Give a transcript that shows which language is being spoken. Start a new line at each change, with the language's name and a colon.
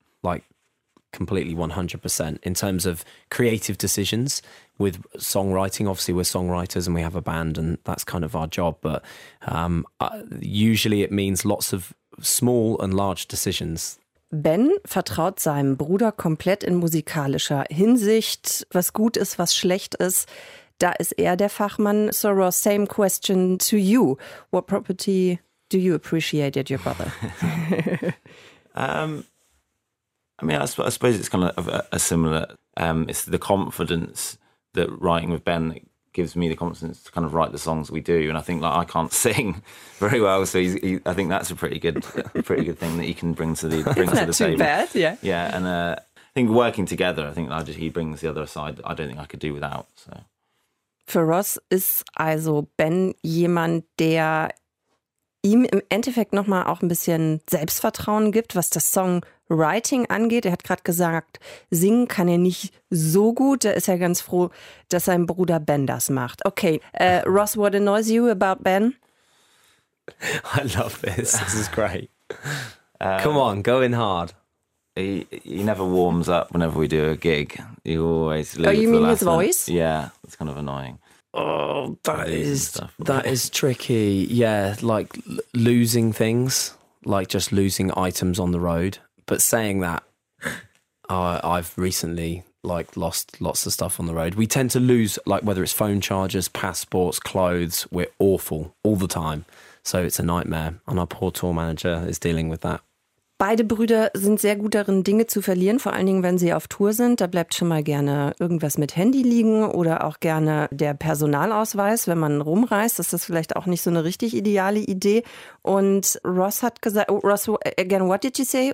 English: Like, completely 100% in terms of creative decisions with songwriting. Obviously, we're songwriters and we have a band and that's kind of our job. But usually it means lots of small and large decisions.
German: Ben vertraut seinem Bruder komplett in musikalischer Hinsicht. Was gut ist, was schlecht ist, da ist er der Fachmann.
English: So Ross, same question to you. What property do you appreciate at your brother? I mean, I suppose it's kind of a similar, it's the confidence that writing with Ben gives me the confidence to kind of write the songs we do. And I think, like, I can't sing very well, so I think that's a pretty good thing that he can bring to the table. Isn't that too bad? Yeah. Yeah, and I think working together, I think he brings the other side that I don't think I could do without. So.
German: Für Ross ist also Ben jemand, der ihm im Endeffekt nochmal auch ein bisschen Selbstvertrauen gibt, was das Song Writing angeht. Er hat gerade gesagt, singen kann er nicht so gut. Da ist er ganz froh, dass sein Bruder Ben das macht.
English: Okay, Ross, what annoys you about Ben? I love this. This is great. Come on, going hard. He never warms up whenever we do a gig. He always leaves. Oh, you mean his voice? Yeah, it's kind of annoying. Oh, that is tricky. Yeah, like losing things, like just losing items on the road. But saying that, I've recently like lost lots of stuff on the road. We tend to lose, like, whether it's phone chargers, passports, clothes. We're awful all the time. So it's a nightmare. And our poor tour manager is dealing with that.
German: Beide Brüder sind sehr gut darin, Dinge zu verlieren, vor allen Dingen, wenn sie auf Tour sind. Da bleibt schon mal gerne irgendwas mit Handy liegen oder auch gerne der Personalausweis, wenn man rumreist. Das ist vielleicht auch nicht so eine richtig ideale Idee. Und Ross hat gesagt,
English: Ross, again, what did you say?